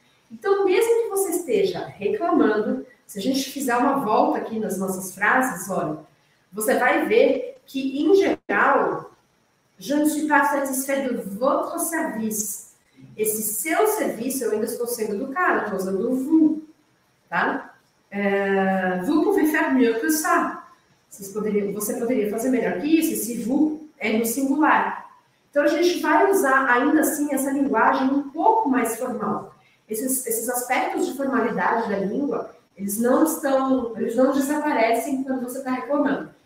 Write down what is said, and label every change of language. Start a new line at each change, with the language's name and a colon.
Portuguese: Então, mesmo que você esteja reclamando, se a gente fizer uma volta aqui nas nossas frases, olha, você vai ver que, em geral,
French: je ne suis pas satisfait de votre service.
Portuguese: Esse seu serviço, eu ainda estou sendo educada, estou usando o vous, tá?
French: Vous pouvez faire mieux que ça.
Portuguese: Você poderia fazer melhor que isso, esse vous é no singular. Então, a gente vai usar, ainda assim, essa linguagem um pouco mais formal. Esses aspectos de formalidade da língua, eles não desaparecem quando você está reclamando.